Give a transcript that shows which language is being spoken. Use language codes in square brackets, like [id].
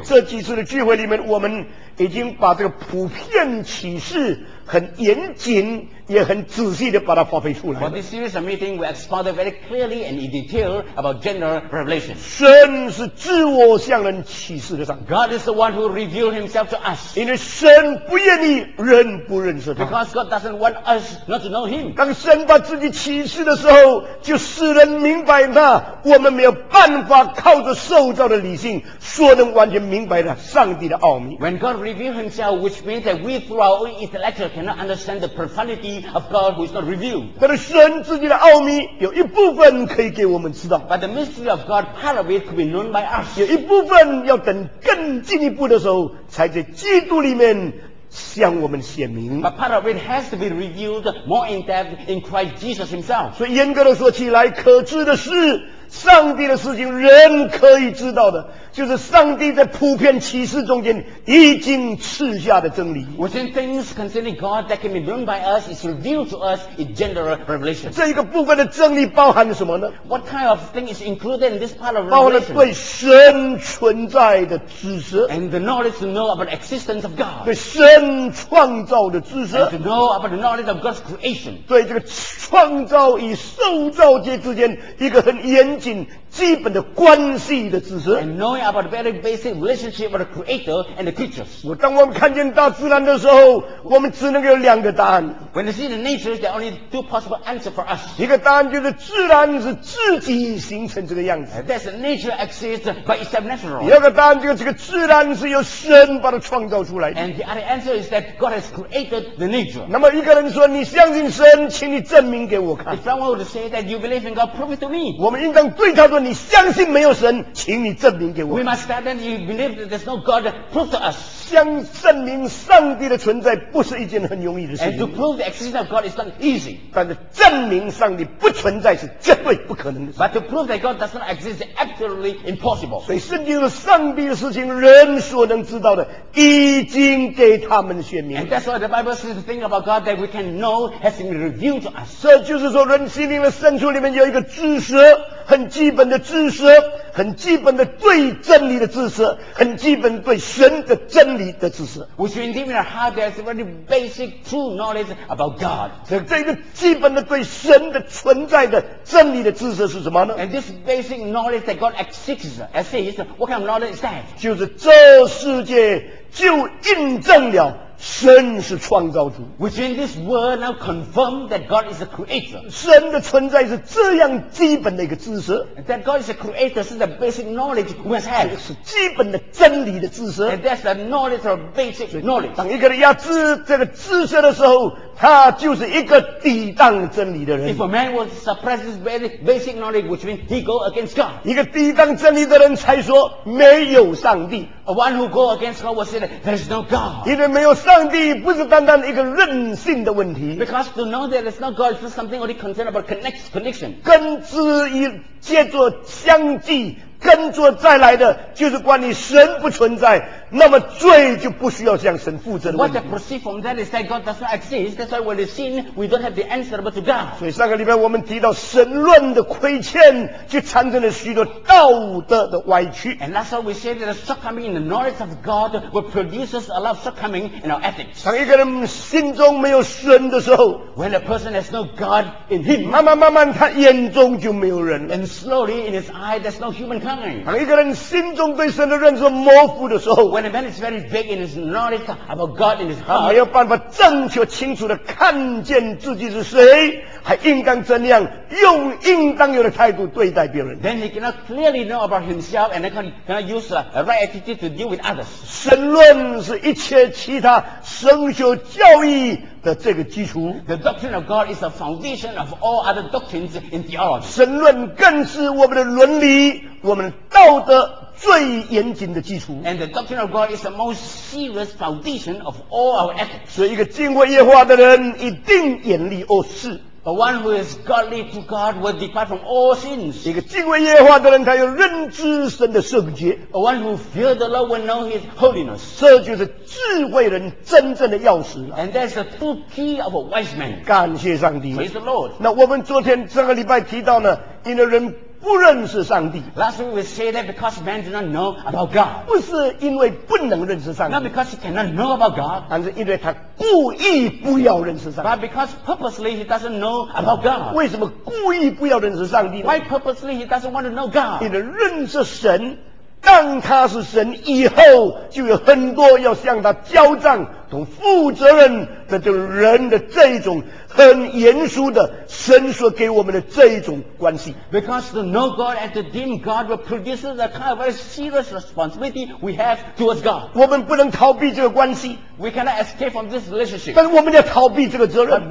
[zh] 这几次的聚会里面我们已经把这个普遍启示很严谨也很仔细地把它发挥出来。 [en] For this series of meeting, we expounded very clearly and in detail about general revelation. [zh] 神是自我向人启示的上帝。 [en] God is the one who revealed himself to us. [zh] 因为神不愿意人不认识他。 [en] Because God doesn't want us not to know him. [zh] 当神把自己启示的时候就使人明白他，我们没有办法靠着受造的理性说能完全明白的上帝的奥秘。 [en] When God revealed himself, which means that we through our own intellect cannot understand the profundity of God who is not revealed. [zh] 但是神自己的奥秘有一部分可以给我们知道。 [en] But the mystery of God, part of it could be known by us. [zh] 有一部分要等更进一步的时候才在基督里面向我们显明。 [en] But part of it has to be revealed more in depth in Christ Jesus himself. [zh] 所以严格的说起来，可知的是上帝的事情人可以知道的，就是上帝在普遍启示中间已经赐下的真理。 [en] Within things concerning God that can be known by us is revealed to us in general revelation. [zh] 这一个部分的真理包含什么呢？ [en] What kind of thing is included in this part of revelation? [zh] 包含了对神存在的知识。 [en] And the knowledge to know about the existence of God. [zh] 对神创造的知识。 [en] And to know about the knowledge of God's creation. [zh] 对这个创造与受造界之间一个很严谨基本的关系的知识。 [en] And knowing about the very basic relationship of the creator and the creatures. [zh] 当我们看见大自然的时候，我们只能有两个答案。 [en] When we see the nature, there are only two possible answers for us. [zh] 一个答案就是自然是自己形成这个样子。 [en] That's the nature exists by itself naturally. [zh] 第二个答案就是这个自然是由神把它创造出来的。 [en] And the other answer is that God has created the nature. [zh] 那么一个人说，你相信神，请你证明给我看。 [en] If someone were to say that you believe in God, prove it to me. [zh] 我们应当对他说，你相信没有神，请你证明给我。 [en] We must tell them you believe that there's no God, prove to us. [zh] 相证明上帝的存在不是一件很容易的事情。 [en] And to prove the existence of God is not easy. [zh] 但是证明上帝不存在是绝对不可能的事。 [en] But to prove that God does not exist is absolutely impossible. [zh] 所以圣经的上帝的事情，人所能知道的，已经给他们显明。 [en] And that's why the Bible says the thing about God that we can know has been revealed to us. [zh] 这就是说，人心灵的深处里面有一个知识。很基本的知识，很基本的对真理的知识，很基本对神的真理的知识。 [en] Which in deep in our heart there is a very basic true knowledge about God. [zh] 这个基本的对神的存在的真理的知识是什么呢？ [en] And this basic knowledge that God exists, as it is, what kind of knowledge is that? [zh] 就是这世界就印证了神是创造主。 [en] Which in this world now confirm that God is a creator. [zh] 神的存在是这样基本的一个知识。 [en] That God is a creator is the basic knowledge we must have. [zh] 是基本的真理的知识。 [en] And that's the knowledge of basic knowledge. [zh] 当一个人要知这个知识的时候，他就是一个抵挡真理的人。 [en] If a man will suppress this basic knowledge, which means he go against God. [zh] 一个抵挡真理的人才说没有上帝。 [en] A one who go against God will say that there is no God. [zh] 因为没有上帝不是单单一个任性的问题。 [en] Because to know that there is no God is something only concerned about connection. [zh] 跟之一接着相继跟着再来的就是关于神不存在，那么罪就不需要向神负责的问题。 [en] What I perceive from that is that God does not exist. That's why when we sin, we don't have the answer but to God. [zh] 所以上个礼拜我们提到神论的亏欠，就产生了许多道德的歪曲。 [en] And last time we said that the shortcoming in the knowledge of God will produce a lot of shortcoming in our ethics. [zh] 当一个人心中没有神的时候 [en] ，When a person has no God in him， [zh] 慢慢他眼中就没有人。 [en] And slowly in his eye, there's no humankind. [zh] 当一个人心中对神的认识模糊的时候。 [en] When a man is very big in his knowledge about God in his heart, [zh] 没有办法正确清楚地看见自己是谁，还应当怎样用应当有的态度对待别人。 [en] Then he cannot clearly know about himself, and then cannot use a right attitude to deal with others. [zh] 神论是一切其他神学教义的这个基础。 [en] The doctrine of God is the foundation of all other doctrines in theology. [zh] 神论更是我们的伦理，我们的道德最严谨的基础。 [en] And the doctrine of God is the most serious foundation of all our ethics. [zh] 所以一个敬畏耶和华的人一定远离恶事。 [en] But one who is godly to God will depart from all sins. [zh] 一个敬畏耶和华的人他要认知神的圣洁。 [en] A one who fears the Lord will know his holiness. [zh] 这就是智慧人真正的钥匙了。 [en] And that's the true key of a wise man. [zh] 感谢上帝。 [en] Praise the Lord. [zh] 那我们昨天上个礼拜提到呢，因为人不认识上帝。 [en] Last week we say that because man do not know about God. [zh] 不是因为不能认识上帝。 [en] Not because he cannot know about God. [zh] 但是因为他故意不要认识上帝。 [en] But because purposely he doesn't know about God. [zh] 为什么故意不要认识上帝呢？ [en] Why purposely he doesn't want to know God? [zh] 因为认识神，当他是神以后，就有很多要向他交账、同负责任的，就人的这一种很严肃的神所给我们的这一种关系。 [en] Because to know God and to deem God will produce the kind of very serious responsibility we have towards God. [zh] 我们不能逃避这个关系。 [en] We cannot escape from this relationship. [zh] 但是我们要逃避这个责任。